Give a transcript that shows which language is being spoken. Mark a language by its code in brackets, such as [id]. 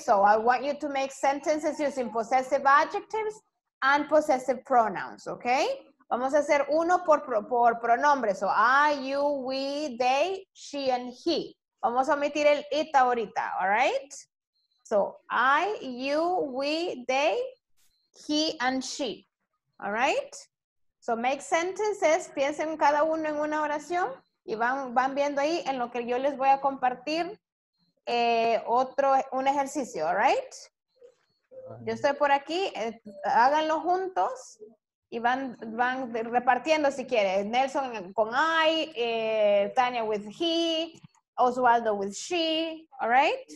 [en] So I want you to make sentences using possessive adjectives and possessive pronouns, okay? [es] Vamos a hacer uno por pronombre. [en] So I, you, we, they, she, and he. [es] Vamos a omitir el it ahorita, [en] all right? So I, you, we, they, he, and she, all right? So make sentences, [es] piensen cada uno en una oración y van viendo ahí en lo que yo les voy a compartir un ejercicio, [en] all right? [es] Yo estoy por aquí, háganlo juntos y van repartiendo si quieren. [en] Nelson con I, Tania with he, Oswaldo with she, all right?